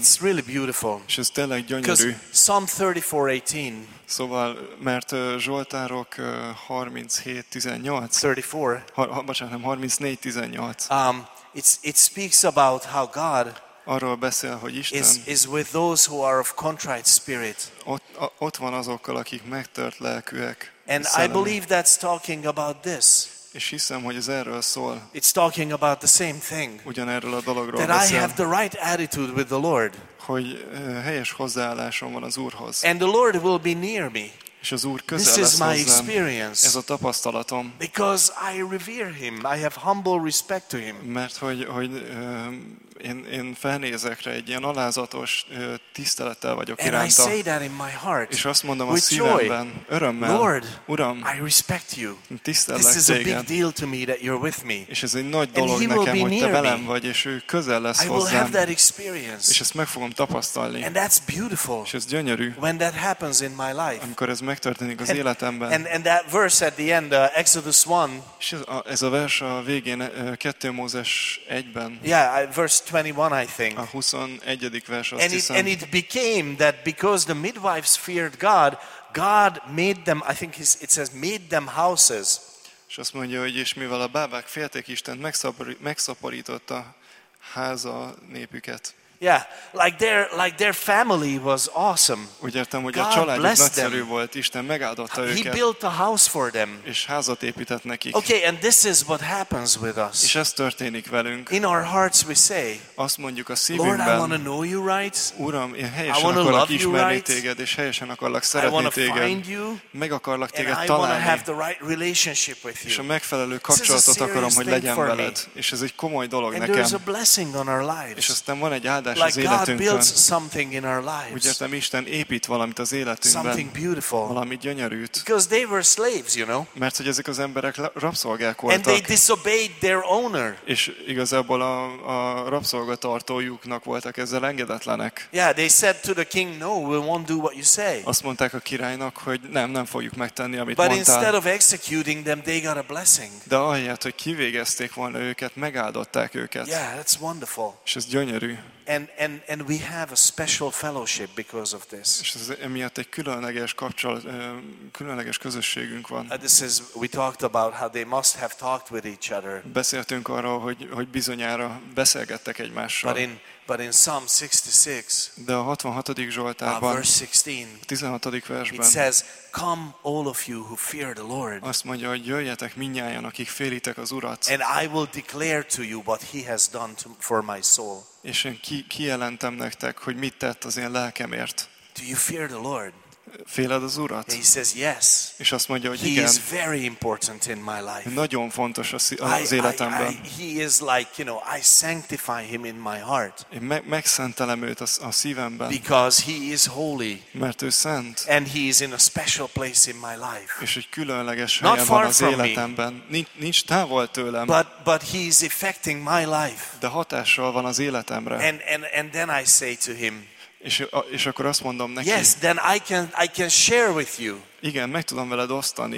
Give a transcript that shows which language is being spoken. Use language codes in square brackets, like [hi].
[en] It's really beautiful. [hu] És ez tényleg gyönyörű. [en] Psalm 34:18. [hu] Szóval, mert Zsoltárok 37:18. 34. Bocsánat, nem 34:18. [en] It speaks about how God. [hu] Arról beszél, hogy Isten. [en] Is with those who are of contrite spirit. [hu] Ott van azokkal, akik megtört lelkűek. [en] And I believe that's talking about this. [hu] És hiszem, hogy ez erről szól. [en] It's talking about the same thing. [hu] Ugyanerről a dologról beszél. [en] That I have the right attitude with the Lord. [hu] Hogy helyes hozzáállásom van az Úrhoz. [en] And the Lord will be near me. [hu] És az Úr közel lesz hozzám. [en] This is my experience. [hu] Ez a tapasztalatom. [en] Because I revere him. I have humble respect to him. [hu] Mert hogy én felnézek rá, egy ilyen alázatos tisztelettel vagyok [en] and [hu] iránta. [en] And I say that in my heart. [hu] És azt mondom a szívemben, örömmel. [en] Lord, [hu] Uram, [en] I respect you. [hu] Tisztellek [en] this is [hu] téged. [en] A big deal to me that you're with me. [hu] És ez egy nagy dolog nekem, hogy te velem vagy, és ő közel lesz [en] I [hu] hozzám. [en] I will have that experience. [hu] És ezt meg fogom tapasztalni. [en] And that's beautiful. [hu] És ez gyönyörű. [en] When that happens in my life. [hu] Amikor ez megtörténik az életemben. [en] And that verse at the end, Exodus 1. [hu] És ez a vers a végén, 2 Mózes 1-ben. [en] Yeah, verse 21, I think. [hu] A 21. vers, azt hiszem. [en] And it became that because the midwives feared God, God made them, I think it says, made them houses. [hu] És azt mondja, hogy és mivel a bábák félték Istent, megszaporította háza népüket. [en] Yeah, like their family was awesome. [hu] Úgy értem, hogy a családjuk nagyszerű volt, Isten megáldotta őket. [en] He built a house for them. [hu] És házat épített nekik. [en] Okay, and this is what happens with us. [hu] És ez történik velünk. [en] In our hearts we say, [hu] azt mondjuk a szívünkben, [en] Lord, I want to know you right. [hu] Uram, én helyesen akarlak ismerni téged, és helyesen akarlak szeretni téged. [en] I want to find you. [hu] Meg akarlak téged találni. [en] And I want to have the right relationship with you. [hu] És a megfelelő kapcsolatot akarom, hogy legyen veled. És ez egy komoly dolog nekem. [en] And there's a blessing on our lives. [hu] És aztán van egy áldás. [en] Like God builds something in our lives. [hu] Úgy értem, Isten épít valamit az életünkben. [en] Something beautiful. [hu] Valami gyönyörűt. [en] Because they were slaves, you know. [hu] Mert hogy ezek az emberek rabszolgák voltak. [en] And they disobeyed their owner. [hu] És igazából a rabszolgatartójuknak voltak ezzel engedetlenek. [en] Yeah, they said to the king, no, we won't do what you say. [hu] Azt mondták a királynak, hogy nem fogjuk megtenni, amit [en] But [hu] mondtál. [en] But instead of executing them, they got a blessing. [hu] De ahelyett, hogy kivégezték volna őket, megáldották őket. [en] Yeah, that's wonderful. [hu] És ez gyönyörű. [en] And we have a special fellowship because of this. [hu] És ez emiatt egy különleges kapcsolat, különleges közösségünk van. [en] This is, we talked about how they must have talked with each other. [hu] Beszéltünk arról, hogy bizonyára beszélgettek egymással. [en] But in Psalm 66, [hu] de a 66. Zsoltárban, [en] verse 16, [hu] 16. versben, [en] it says, "Come, all of you who fear the Lord." [hu] Azt mondja, hogy jöjjetek mindnyájan, akik félitek az Urat. [en] And I will declare to you what He has done for my soul. [hu] És én kijelentem nektek, hogy mit tett az én lelkemért. [en] Do you fear the Lord? [hu] Féled az Urat? [en] And he says yes. [hu] És azt mondja, hogy [en] he [hu] igen. [en] He is very important in my life. [hu] Nagyon fontos az életemben. [en] He is like, you know, I sanctify him in my heart. [hu] Én megszentelem őt a szívemben. [en] Because he is holy. [hu] Mert ő szent. [en] And he is in a special place in my life. És egy különleges helyen van az életemben. [hu] Nincs távol tőlem. [en] But he is affecting my life. [hu] De hatással van az életemre. [en] And then I say to him. [hu] És akkor azt mondom neki. [en] Yes, then I can share with you. [hu] Igen, meg tudom veled osztani.